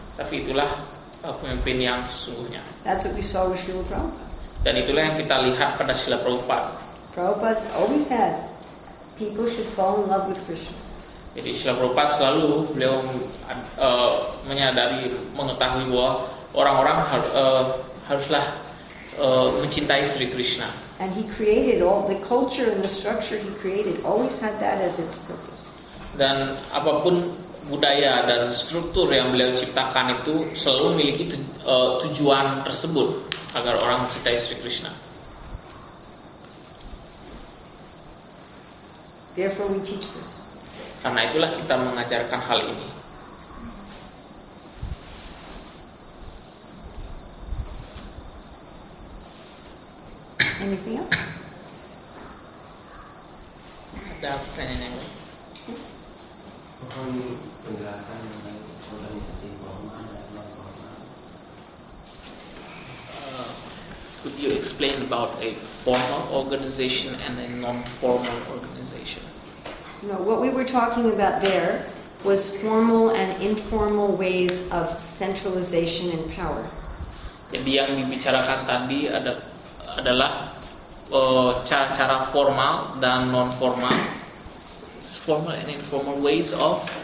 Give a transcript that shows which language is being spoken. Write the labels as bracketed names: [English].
[Indonesian] Tapi itulah pemimpin yang sesungguhnya. [English] That's what we saw with Srila Prabhupada. [Indonesian] Dan itulah yang kita lihat pada Srila Prabhupada. [English] Prabhupada always said people should fall in love with Krishna. [Indonesian] Jadi Srila Prabhupada selalu beliau menyadari, mengetahui bahwa orang-orang haruslah mencintai Sri Krishna. [English] And he created all the culture and the structure he created always had that as its purpose. [Indonesian] Dan apapun budaya dan struktur yang beliau ciptakan itu selalu memiliki tujuan tersebut agar orang mencintai Sri Krishna. [English] Therefore we teach this. [Indonesian] Karena itulah kita mengajarkan hal ini. [English] Anything else? [Indonesian] Ada pertanyaan yang lain? Mohon penjelasan mengenai organisasi formal dan non formal. [English] Could you explain about a formal organization and a non formal organization? No, what we were talking about there was formal and informal ways of centralization and power. [Indonesian] Jadi yang dibicarakan tadi adalah cara-cara formal dan non-formal, [English] formal and informal ways of.